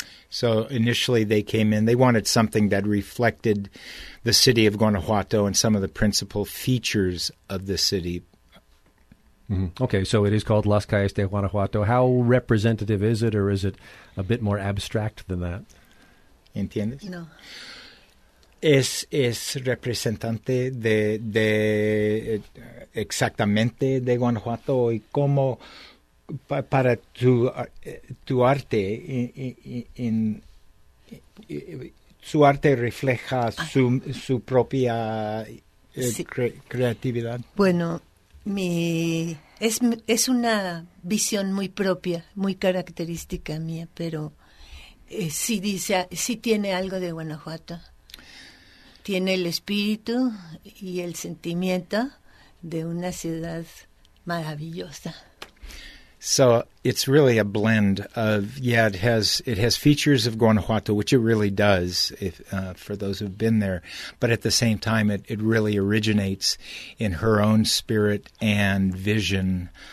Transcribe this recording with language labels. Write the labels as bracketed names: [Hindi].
[English] So initially they came in, they wanted something that reflected the city of Guanajuato and some of the principal features of the city. Mm-hmm. Okay, so it is called Las Calles de Guanajuato. How representative is it, or is it a bit more abstract than that? [Spanish] ¿Entiendes? No. Es representante de exactamente de Guanajuato y como para tu arte su arte refleja su propia creatividad. Bueno, es una visión muy propia, muy característica mía, pero sí tiene algo de Guanajuato. Tiene el espíritu y el sentimiento de una ciudad maravillosa. [English] So it's really a blend of, yeah, it has features of Guanajuato, which it really does, if for those who've been there. But at the same time, it really originates in her own spirit and vision.